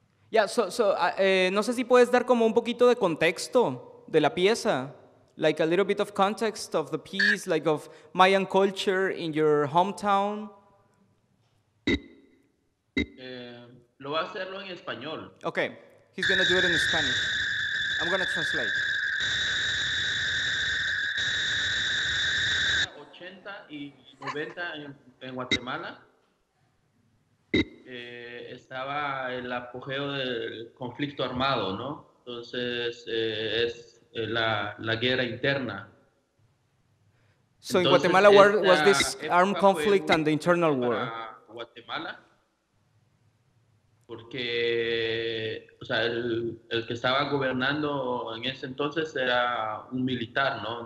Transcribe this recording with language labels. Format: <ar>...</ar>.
<es>Yeah, no sé si puedes dar como un poquito de contexto de la pieza.</es> <en>Like a little bit of context of the piece, like of Mayan culture in your hometown.</en> <es>Lo va a hacerlo en español.</es> <en>Okay, he's going to do it in Spanish. I'm going to translate.</en> <es>80 y 90 en Guatemala. Estaba el apogeo del conflicto armado, ¿no? Entonces, es la guerra interna.</es> <en>So in Guatemala, was this armed conflict and the internal war?</en> <es>Guatemala. Porque, o sea, el que estaba gobernando en ese entonces era un militar, ¿no?</es>